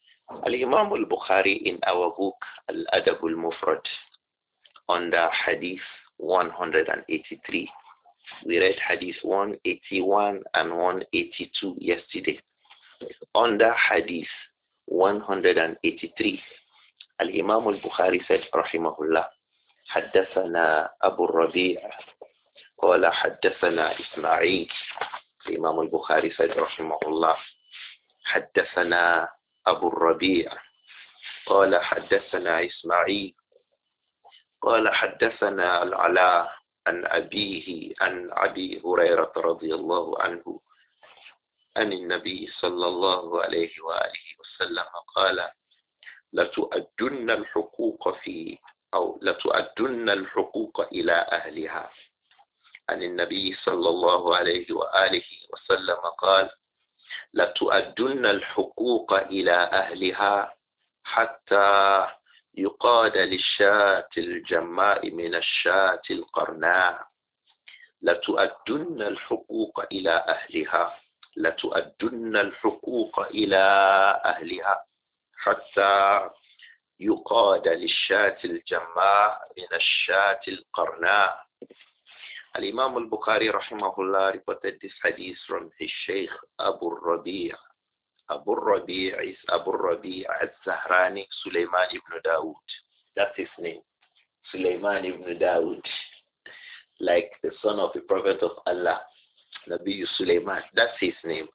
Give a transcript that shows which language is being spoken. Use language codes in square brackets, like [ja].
[en] Al-Imam al-Bukhari in our book, Al-Adab al-Mufrad, under Hadith 183, we read Hadith 181 and 182 yesterday. Under Hadith 183, Al-Imam al-Bukhari said, Rahimahullah, حدثنا Abu Rabi, [ar] قال حدثنا [en] Ismail. [ar] Imam al-Bukhari said, Rahimahullah, حدثنا أبو الربيع قال حدثنا إسماعيل قال حدثنا العلاء عن أبيه عن أبي هريرة رضي الله عنه أن النبي صلى الله عليه وآله وسلم قال لتؤدن الحقوق في أو لتؤدن الحقوق إلى أهلها أن النبي صلى الله عليه وآله وسلم قال لتؤدن الحقوق إلى أهلها حتى يقاد للشاة الجماء من الشاة القرناء لتؤدن الحقوق إلى أهلها لتؤدن الحقوق إلى أهلها حتى يقاد للشاة الجماء من الشاة القرناء. [en] Al-Imam al-Bukhari rahimahullah reported this hadith from his Shaykh Abu Rabi'. Abu Rabi' is Abu Rabi' al-Zahrani Sulaiman ibn Dawood. That's his name. Sulaiman ibn Dawood. Like the son of the Prophet of Allah, Nabi Sulaiman. That's his name.